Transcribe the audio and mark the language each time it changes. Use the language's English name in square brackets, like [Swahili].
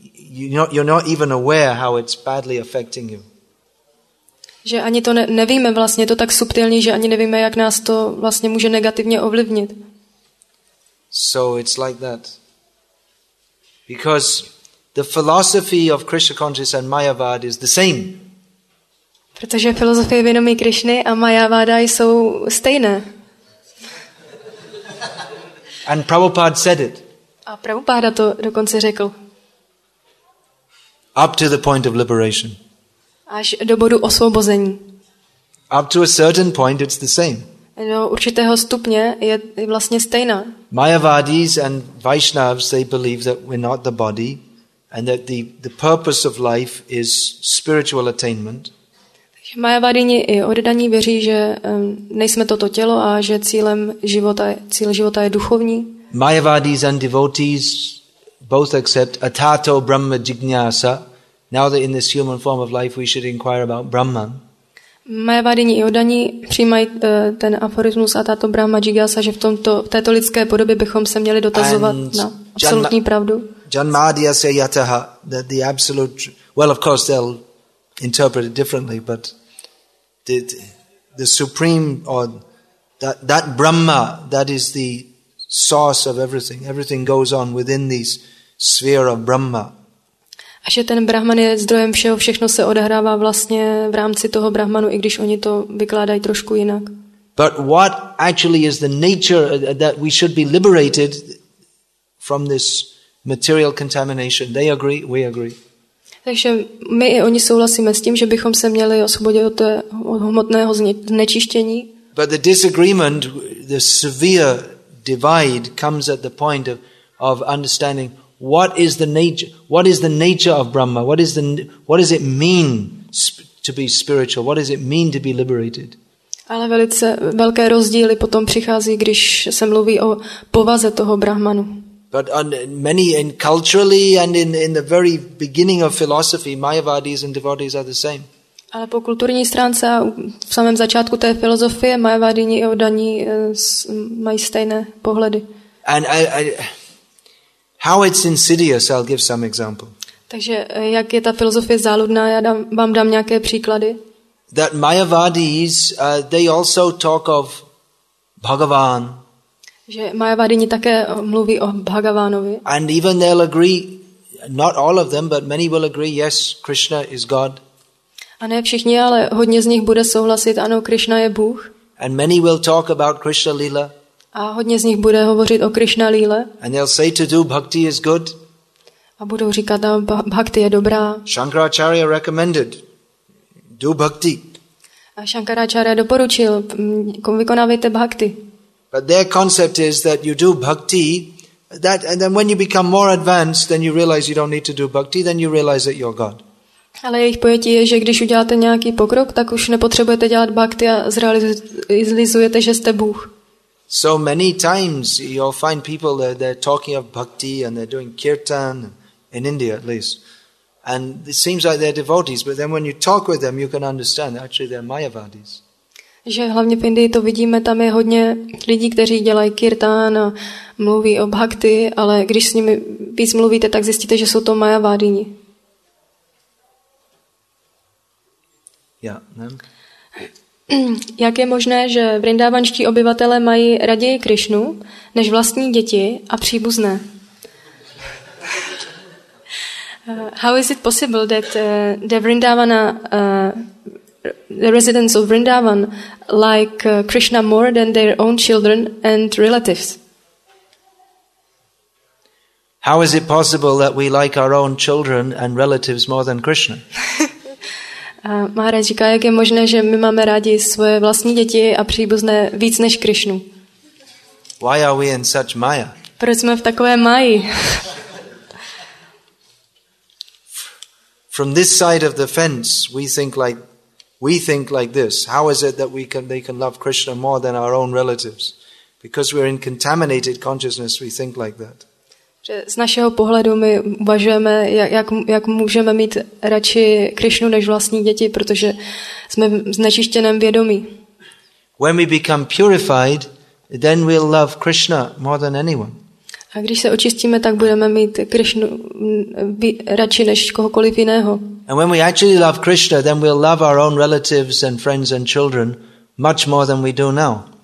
[English] You're not even aware how it's badly affecting you. [Czech] Že ani to nevíme, vlastně je to tak subtilní, že ani nevíme, jak nás to vlastně může negativně ovlivnit. [English] So it's like that. Because the philosophy of Krishna consciousness and Mayavad is the same. [Czech] Protože filozofie vědomí Krishny a Mayavada jsou stejné. [English] And Prabhupada said it. [Czech] A Prabhupada to dokonce řekl. [English] Up to the point of liberation. [Czech] Až do bodu osvobození. [English] Up to a certain point it's the same. [Czech] Do určitého stupně je vlastně stejná. [English] Mayavadis and Vaishnavs, they believe that we're not the body and that the purpose of life is spiritual attainment. [Czech] Takže Mayavadini i oddaní věří, že nejsme toto tělo a že cíl života je duchovní. [English] Mayavadis and devotees both accept atato brahma jignyasa. Now that in this human form of life we should inquire about Brahman. [Czech] Mayavadini i oddaní přijímají ten aforismus atato brahma jignyasa, že v této lidské podobě bychom se měli dotazovat na absolutní pravdu. [Sanskrit] Janmadya se yataha, [English] that the absolute, well of course they'll interpret it differently, but the supreme or that Brahma, that is the source of everything. Everything goes on within this sphere of Brahma. [Czech] A že ten Brahman je zdrojem všeho, všechno se odehrává vlastně v rámci toho Brahmanu, i když oni to vykládají trošku jinak. [English] But what actually is the nature that we should be liberated from this material contamination? They agree, we agree. [Czech] Takže my i oni souhlasíme s tím, že bychom se měli osvobodit od hmotného znečištění. [English] But the disagreement, the severe divide comes at the point of understanding what is the nature of Brahma, what does it mean to be spiritual, what does it mean to be liberated. [Czech] Ale velice velké rozdíly potom přichází, když se mluví o povaze toho Brahmanu. [English] But many in culturally and in the very beginning of philosophy, Mayavadis and devotees are the same. [Czech] Ale po kulturní stránce a v samém začátku té filozofie Mayavadini i oddaní mají stejné pohledy. [English] And how it's insidious, I'll give some example. [Czech] Takže jak je ta filozofie záludná, já vám dám nějaké příklady. [English] That Mayavadis, they also talk of Bhagavan. [Czech] Že Mayavadini také mluví o Bhagavánovi. [English] And even they'll agree, not all of them, but many will agree, yes, Krishna is God. [Czech] A ne všichni, ale hodně z nich bude souhlasit, ano, Krishna je Bůh. [English] And many will talk about Krishna Lila. [Czech] A hodně z nich bude hovořit o Krishna Lile. [English] And they'll say to do bhakti is good. [Czech] A budou říkat, ano, bhakti je dobrá. [English] Shankaracharya recommended, do bhakti. [Czech] A Shankaracharya doporučil, vykonávejte bhakti. [English] But their concept is that you do bhakti, that and then when you become more advanced, then you realize you don't need to do bhakti, then you realize that you're God. [Czech] Ale jejich pojetí je, že když uděláte nějaký pokrok, tak už nepotřebujete dělat bhakti a zrealizujete, že jste Bůh. [English] So many times you'll find people that they're talking of bhakti and they're doing kirtan, in India at least. And it seems like they're devotees, but then when you talk with them, you can understand that actually they're Mayavadis. [Czech] Že hlavně v Indii to vidíme, tam je hodně lidí, kteří dělají kirtán a mluví o bhakti, ale když s nimi víc mluvíte, tak zjistíte, že jsou to Mayavadini. [English] Yeah, [Czech] Jak je možné, že vrindávanští obyvatelé mají raději Krišnu než vlastní děti a příbuzné? [English] How is it possible that the Vrindavana the residents of Vrindavan like Krishna more than their own children and relatives. How is it possible that we like our own children and relatives more than Krishna? [Czech] Maharaj říká, jak je možné, že my máme rádi svoje vlastní děti a příbuzné víc než Krishnu? [English] Why are we in such maya? [Czech] Proč jsme v takové máji? [English] From this side of the fence, we think like this. How is it that they can love Krishna more than our own relatives? Because we're in contaminated consciousness, we think like that. [Czech] Z našeho pohledu my uvažujeme, jak můžeme mít radši Krišnu než vlastní děti, protože jsme v znečištěném vědomí. [English] When we become purified, then we'll love Krishna more than anyone. [Czech] A když se očistíme, tak budeme mít Krišnu radši než kohokoliv jiného. [English] And when we actually love Krishna, then we'll love our own relatives and friends and children much more than we do now.